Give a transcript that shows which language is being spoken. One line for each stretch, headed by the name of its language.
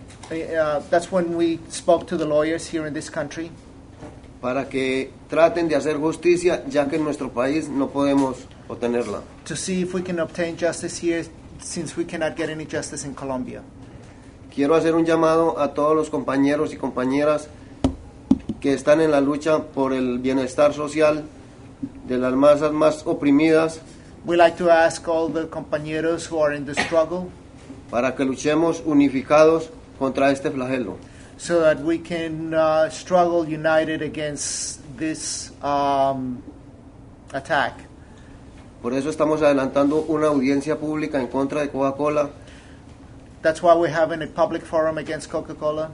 English: That's when we spoke to the lawyers here in this country.
Spanish: Para que traten de hacer justicia, ya que en nuestro país no podemos obtenerla.
English: To see if we can obtain justice here, since we cannot get any justice in Colombia.
Spanish: Quiero hacer un llamado a todos los compañeros y compañeras que están en la lucha por el bienestar social de las masas más oprimidas.
English: We like to ask all the compañeros who are in the struggle
Spanish: para que luchemos unificados contra este flagelo.
English: So that we can struggle united against this attack.
Spanish: Por eso estamos adelantando una audiencia pública en contra de Coca-Cola.
English: That's why we're having a public forum against Coca-Cola.